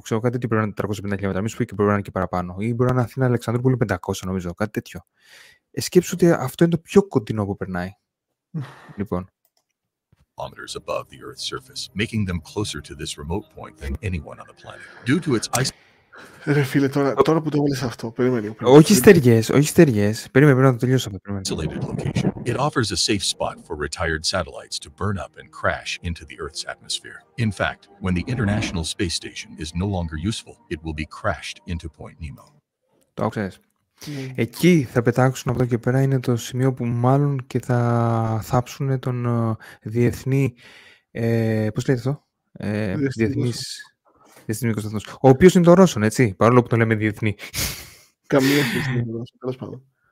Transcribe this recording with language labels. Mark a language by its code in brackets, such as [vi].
[el] Ξέρω κάτι τέτοιο, πρέπει να είναι 450 χιλιόμετρα. Μην σου πει και πρέπει να είναι και παραπάνω. Ή μπορεί να είναι Αθήνα Αλεξανδρούπολη 500, νομίζω. Κάτι τέτοιο. Σκέψου ότι αυτό είναι το πιο κοντινό που περνάει. Λοιπόν. [en] Above the Earth's surface, making them closer to this remote point than anyone on the planet. Due to its ice... [el] Ρε φίλε, τώρα που το έβλεσαι αυτό, περίμενε. Όχι στεριές. Περίμενε, πρέπει να το τελειώσουμε. [en] Isolated location. It offers a safe spot for retired satellites to burn up and crash into the Earth's atmosphere. In fact, when the International Space Station is no longer useful, it will be crashed into Point Nemo. [el] Το ξέρεις. Εκεί θα πετάξουν από εδώ και πέρα, είναι το σημείο που μάλλον και θα θάψουν τον διεθνή... πώς λέτε αυτό? Διεθνής... Ο οποίος είναι το Ρώσον, έτσι, παρόλο που το λέμε διεθνή. Καμία σχέση με το Ρώσον, τέλος πάντων.